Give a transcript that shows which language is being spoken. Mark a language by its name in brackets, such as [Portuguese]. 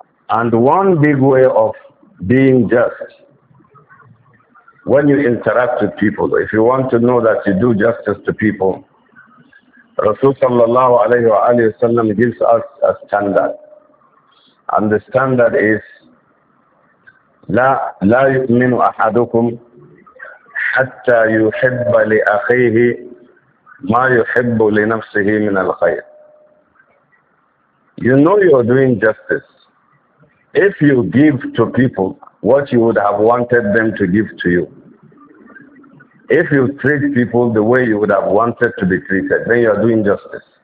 [English] And one big way of being just, when you interact with people, if you want to know that you do justice to people, Rasul sallallahu alayhi wa alayhi wa sallam gives us a standard. [Arabic] And the standard is, لَا يُؤْمِنُ أَحَدُكُمْ حَتَّى يُحِبَّ لِأَخِيهِ مَا يُحِبُّ لِنَفْسِهِ مِنَ الْخَيْرِ. [English] You know you're doing justice if you give to people what you would have wanted them to give to you. If you treat people the way you would have wanted to be treated, then you are doing justice.